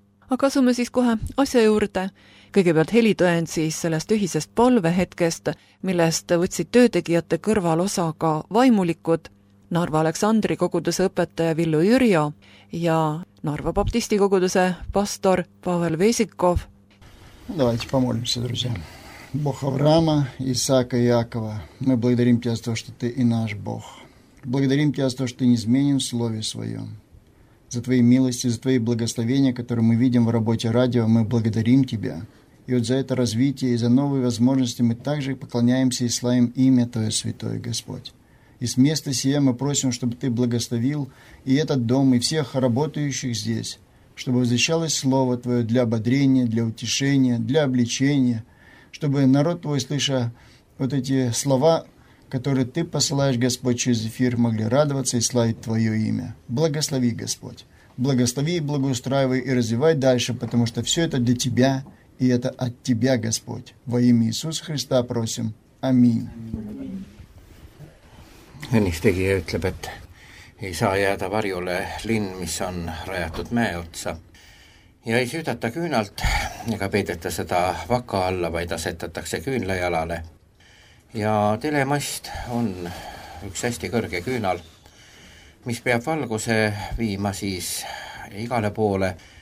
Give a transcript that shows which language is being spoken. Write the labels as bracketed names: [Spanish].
[Estonian] Aga asume siis kohe asja juurde. Kõigepealt helitõend siis sellest ühisest palvehetkest, millest võtsid töötegijate kõrval osa ka vaimulikud. Narva Aleksandri koguduse õpetaja Villu Jürjo ja Narva Baptisti koguduse pastor Pavel Vesikov. [Russian] Давайте помолимся, друзья. Бог Авраама, Исаака и Иакова, мы благодарим Тебя за то, что Ты и наш Бог. Благодарим Тебя за то, что Ты неизменен в Слове Своем. За Твои милости, за Твои благословения, которые мы видим в работе радио, мы благодарим Тебя. И вот за это развитие и за новые возможности мы также поклоняемся и славим имя Твое Святое, Господь. И с места сия мы просим, чтобы Ты благословил и этот дом, и всех работающих здесь, чтобы возвещалось Слово Твое для ободрения, для утешения, для обличения, чтобы народ Твой, слыша вот эти слова, которые Ты посылаешь, Господь, через эфир, могли радоваться и славить Твое имя. Благослови, Господь. Благослови и благоустраивай, и развивай дальше, потому что все это для Тебя, и это от Тебя, Господь. Во имя Иисуса Христа просим. Аминь. [Estonian] Õnnistegija ütleb, et ei saa jääda varjule linn, mis on rajatud mäe otsa. Ja ei süüdata küünalt, ega peideta seda vaka alla, vaid asetatakse küünla jalale. Ja telemast on üks hästi kõrge küünal, mis peab valguse viima siis igale poole.